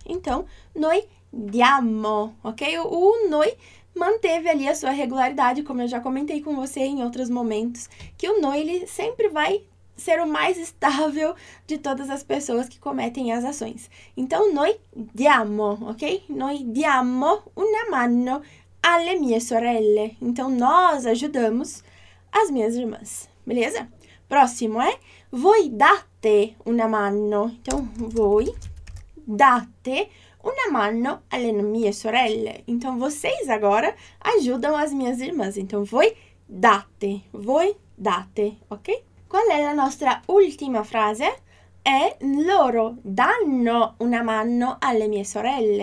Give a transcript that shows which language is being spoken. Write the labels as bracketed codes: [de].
[pt] Então, [it] noi diamo, [pt] ok? O noi manteve ali a sua regularidade, como eu já comentei com você em outros momentos, que o noi, ele sempre vai ser o mais estável de todas as pessoas que cometem as ações. Então, [it] noi diamo, [pt] ok? [it] Noi diamo una mano alle mie sorelle. [pt] Então, nós ajudamos as minhas irmãs, beleza? Próximo é [it] voi date una mano, então voi date una mano alle mie sorelle. [pt] Então vocês agora ajudam as minhas irmãs. Então [it] voi date, [pt] ok? [it] Qual è la nostra ultima frase? È loro danno una mano alle mie sorelle.